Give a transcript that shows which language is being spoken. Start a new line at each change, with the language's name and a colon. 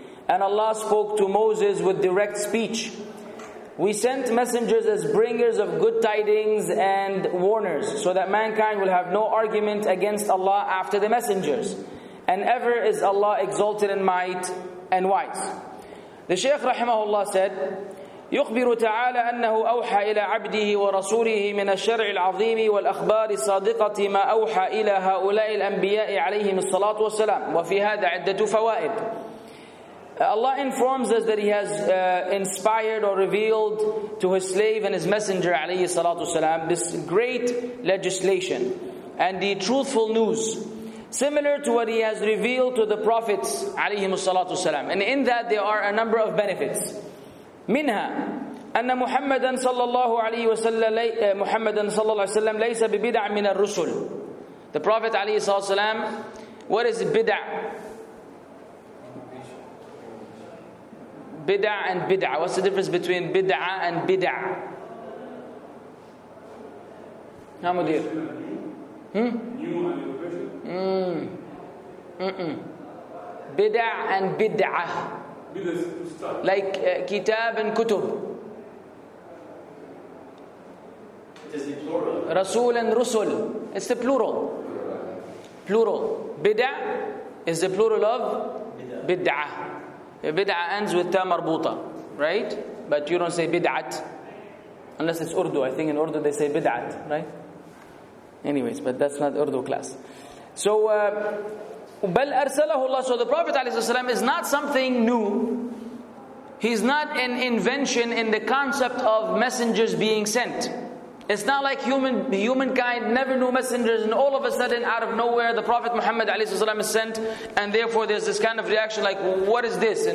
English: And Allah spoke to Moses with direct speech. We sent messengers as bringers of good tidings and warners, so that mankind will have no argument against Allah after the messengers. And ever is Allah exalted in might and wise. The Shaykh rahimahullah said,
Arabic: يخبر تعالى أنه أوحى إلى عبده ورسوله من الشرع العظيم والأخبار الصادقة ما أوحى إلى هؤلاء الأنبياء عليهم الصلاة والسلام. وفي هذا عدة فوائد.
English: Allah informs us that He has inspired or revealed to His slave and His messenger alayhi salatu wasalam this great legislation and the truthful news, similar to what He has revealed to the prophets alayhi salatu wasalam. And in that there are a number of benefits.
Arabic: منها أن محمدًا صلى الله عليه وسلم محمدًا صلى الله عليه وسلم ليس ببدع من الرسل.
English: The Prophet
Arabic: عليه الصلاة والسلام,
English: what is بدع? بدع and بدع. What's the difference between بدع and بدع?
Arabic: ها مدير.
English: بدع and بدعة. Like kitab and kutub. It is the plural. Rasul and rusul. It's the plural. Plural. Bid'ah is the plural of bid'ah. Bid'ah ends with ta marbuta, right? But you don't say bid'at unless it's Urdu. I think in Urdu they say bid'at, right? Anyways, but that's not Urdu class. So,
Arabic: بل أرسله الله.
English: So the Prophet
Arabic: عليه الصلاة والسلام
English: is not something new. He's not an invention in the concept of messengers being sent. It's not like humankind never knew messengers, and all of a sudden out of nowhere the Prophet Muhammad
Arabic: عليه الصلاة والسلام
English: is sent, and therefore there's this kind of reaction like, what is this?